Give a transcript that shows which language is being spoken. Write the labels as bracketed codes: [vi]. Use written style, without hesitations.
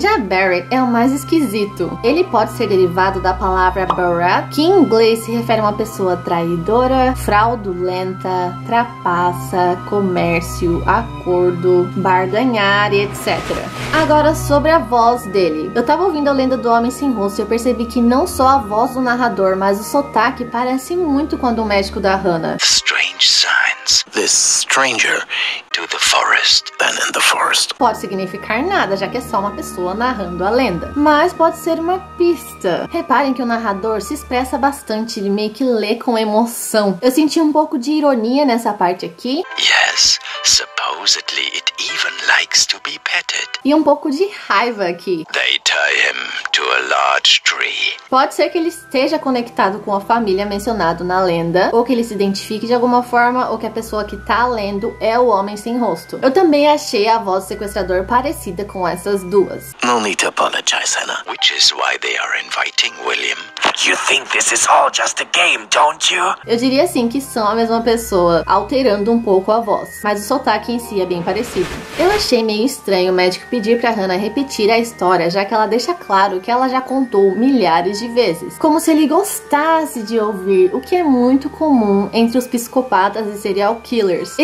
[pt] Já Barrett é o mais esquisito. Ele pode ser derivado da palavra Barrett, que em inglês se refere a uma pessoa traidora, fraudulenta, trapaça, comércio, acordo, barganhar e etc. Agora sobre a voz dele. Eu tava ouvindo a lenda do Homem Sem Rosto e eu percebi que não só a voz do narrador, mas o sotaque parece muito com o médico da Hannah. [en] Strange signs. This stranger to the forest than in the forest. [pt] Pode significar nada, já que é só uma pessoa narrando a lenda. Mas pode ser uma pista. Reparem que o narrador se expressa bastante, ele meio que lê com emoção. Eu senti um pouco de ironia nessa parte aqui. [en] Yes, supposedly it even likes to be petted. [pt] E um pouco de raiva aqui. [en] They tie him to a large tree. [pt] Pode ser que ele esteja conectado com a família mencionada na lenda, ou que ele se identifique de alguma forma, ou que a pessoa que tá lendo é o Homem Sem Rosto. Eu também achei a voz do sequestrador parecida com essas duas. [en] No need to apologize, Hannah. Which is why they are inviting William. You think this is all just a game, don't you? [pt] Eu diria sim que são a mesma pessoa, alterando um pouco a voz, mas o sotaque em si é bem parecido. Eu achei meio estranho o médico pedir pra Hannah repetir a história, já que ela deixa claro que ela já contou milhares de vezes. Como se ele gostasse de ouvir, o que é muito comum entre os psicopatas e serial killers.